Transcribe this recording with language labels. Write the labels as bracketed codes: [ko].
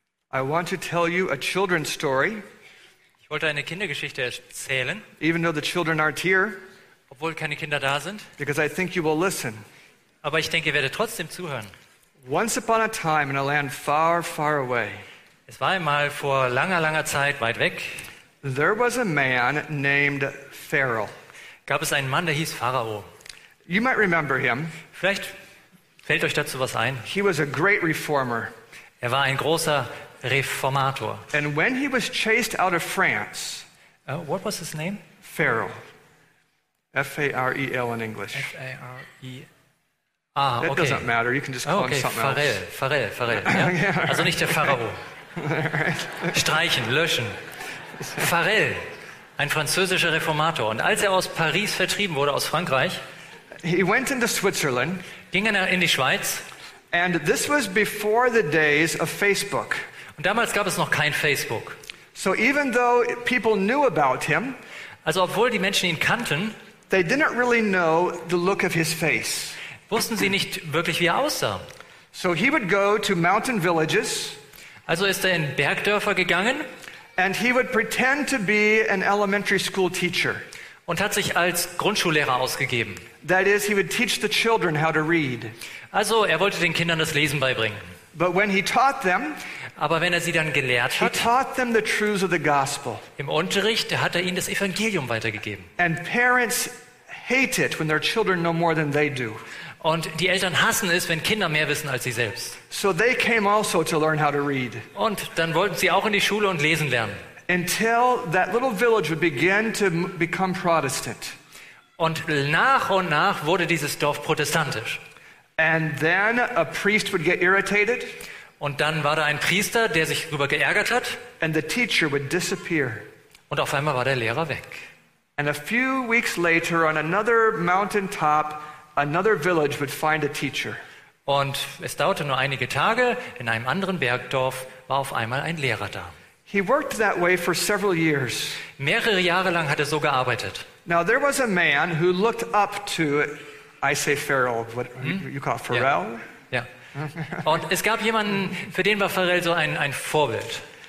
[en] I want to tell you a children's story. [de] Ich wollte eine Kindergeschichte erzählen. [en] Even though the children aren't here. [de] Obwohl keine Kinder da sind. [en] Because I think you will listen. [de] Aber ich denke, ihr werdet trotzdem zuhören. [en] Once upon a time in a land far, far away. [de] Es war einmal vor langer, langer Zeit weit weg. [en] There was a man named Pharaoh. [de] Gab es einen Mann, der hieß Pharao. [en] You might remember him. [de] Vielleicht fällt euch dazu was ein? [en] He was a great reformer. [de] Er war ein großer Reformator. [en] And when he was chased out of France, what was his name? Pharaoh. F-A-R-E-L in English. F-A-R-E-L. Ah, okay. It doesn't matter. You can just call him something Pharrell, else. [de] Pharrell, Pharrell. Ja? [en] Yeah, [de] also nicht der Pharao. Streichen, löschen. Pharrell, ein französischer Reformator. Und als er aus Paris vertrieben wurde, aus Frankreich, [en] he went into Switzerland. [de] Ging er in die Schweiz. [en] And this was before the days of Facebook. [de] Und damals gab es noch kein Facebook. [en] So even though people knew about him, [de] also obwohl die Menschen ihn kannten, [en] they didn't really know the look of his face. [de] Wussten sie nicht wirklich, wie er aussah. [en] So he would go to mountain villages. [de] Also ist er in Bergdörfer gegangen. [en] And he would pretend to be an elementary school teacher. [de] Und hat sich als Grundschullehrer ausgegeben. [en] That is, he would teach the children how to read. [de] Also, er wollte den Kindern das Lesen beibringen. [en] But when he taught them, [de] aber wenn er sie dann gelehrt hat, [en] he taught them the truths of the gospel. [de] Im Unterricht hat er ihnen das Evangelium weitergegeben. [en] And parents hate it when their children know more than they do. [de] Und die Eltern hassen es, wenn Kinder mehr wissen als sie selbst. [en] So they came also to learn how to read. [de] Und dann wollten sie auch in die Schule und lesen lernen. [en] Until that little village would begin to become Protestant. [de] Und nach wurde dieses Dorf protestantisch. [en] And then a priest would get irritated. [de] Und dann war da ein Priester, der sich darüber geärgert hat. [en] And the teacher would disappear. [de] Und auf einmal war der Lehrer weg. [en] And a few weeks later, on another mountain top, another village would find a teacher. [de] Und es dauerte nur einige Tage. In einem anderen Bergdorf war auf einmal ein Lehrer da. [en] He worked that way for several years. [de] Mehrere Jahre lang hat er so gearbeitet. [en] Now there was a man who looked up to, I say Pharaoh, what you call Pharrell? Yeah. Yeah. [de] Und es gab jemanden, für den war Pharrell so ein Vorbild.